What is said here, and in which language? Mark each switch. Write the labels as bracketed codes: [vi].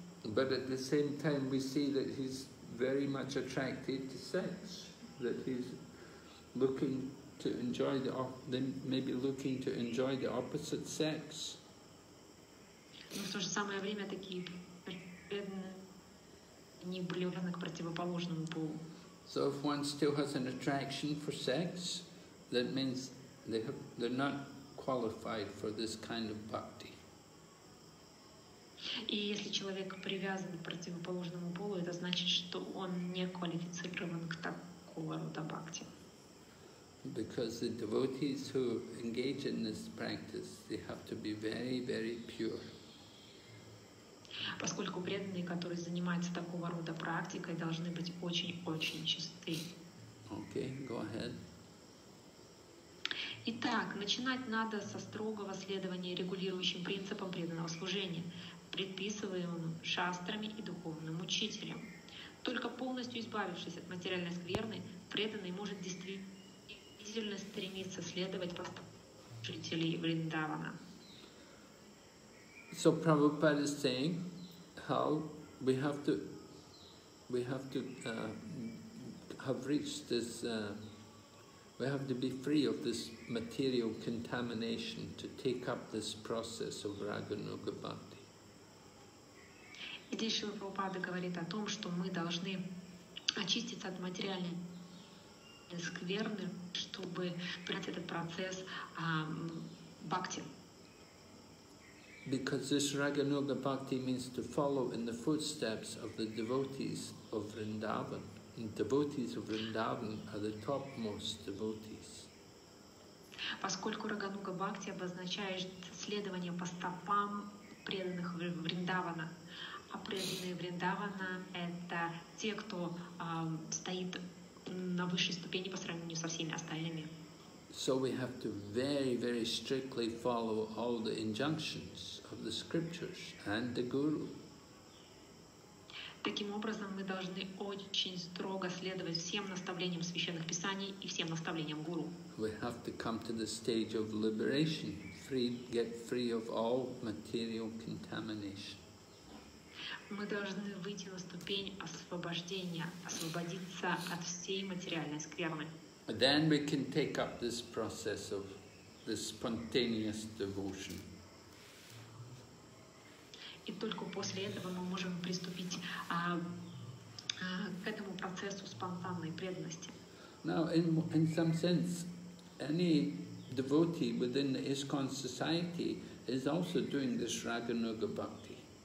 [en] But at the same time we see that he's very much attracted to sex, that he's looking to enjoy the opposite sex. [ru] Но в то же самое время такие преданные, они были уверены к противоположному полу. [en] So if one still has an attraction for sex, that means they're not qualified for this kind of bhakti. [ru] И если человек привязан к противоположному полу, это значит, что он не квалифицирован к такого рода бхакти. [en] Because the devotees who engage in this practice, they have to be very, very pure. [ru] Поскольку преданные, которые занимаются такого рода практикой, должны быть очень-очень чисты. [en] Okay, go ahead. [ru] Итак, начинать надо со строгого следования регулирующим принципам преданного служения, предписываемым шастрами и духовным учителем. Только полностью избавившись от материальной скверны, преданный может действительно стремиться следовать послушателей Вриндавана. [en] So Prabhupada is saying how we have to be free of this material contamination to take up this process of Raganuga Bhakti. [ru] И здесь Шрила Прабхупада говорит о том, что мы должны очиститься от материальной скверны, чтобы пройти этот процесс бхакти. [en] Because this Raganuga Bhakti means to follow in the footsteps of the devotees of Vrindavan. And devotees of Vrindavan are the topmost devotees. [ru] Поскольку Рагануга Бхакти обозначает следование по стопам преданных Вриндавана, а преданные Вриндавана — это те, кто стоит на высшей ступени по сравнению со всеми остальными. [en] So we have to very, very strictly follow all the injunctions of the scriptures and the Guru. [ru] Таким образом, мы должны очень строго следовать всем наставлениям священных писаний и всем наставлениям Гуру. [en] We have to come to the stage of liberation, get free of all material contamination. [ru] Мы должны выйти на ступень освобождения, освободиться от всей материальной скверны. [en] Then we can take up this process of the spontaneous devotion. [ru] И только после этого мы можем приступить к этому процессу спонтанной преданности. [en] Now, in some sense, any devotee within the ISKCON society is also doing this Raganuga Bhakti.